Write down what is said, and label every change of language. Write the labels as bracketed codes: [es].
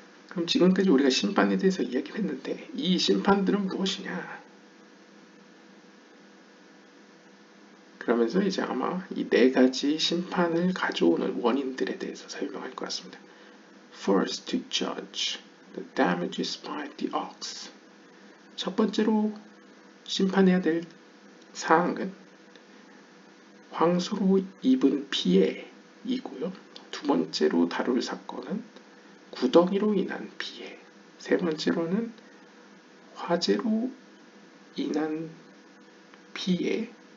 [ko] 그럼 지금까지 우리가 심판에 대해서 이야기했는데 이 심판들은 무엇이냐? 그러면서 이제 아마 이 네 가지 심판을 가져오는 원인들에 대해서 설명할 것 같습니다. [en] First, to judge the damages by the ox. [ko] 첫 번째로 심판해야 될 사항은 황소로 입은 피해이고요. 두 번째로 다룰 사건은 구덩이로 인한 피해. 세 번째로는 화재로 인한 피해.